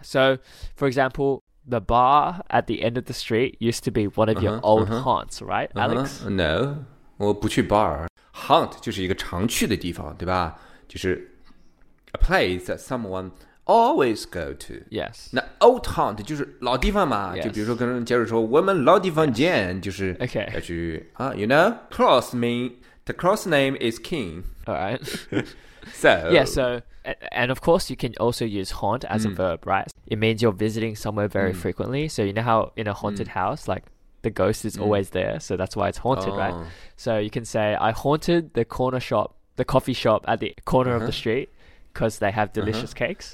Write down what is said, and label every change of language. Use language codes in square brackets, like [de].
[en] So for example,the bar at the end of the street used to be one of your old haunts, right, Alex? [zh] No, 我不去 bar. Haunt 就是一个常去的地方，对吧？ [en] 就是 a place that someone always go to. Yes. [zh] 那 old haunt 就是老地方嘛。 [en] Yes. [zh] 就比如说跟杰瑞说，我们老地方见，就是要去啊。 [en] You know, cross mean the cross name is king. All right. So and of course you can also use haunt as a verb, right? It means you're visiting somewhere very frequently. So you know how in a haunted house, like the ghost is always there. So that's why it's haunted, right? So you can say, I haunted the corner shop, the coffee shop at the corner of the street because they have delicious cakes.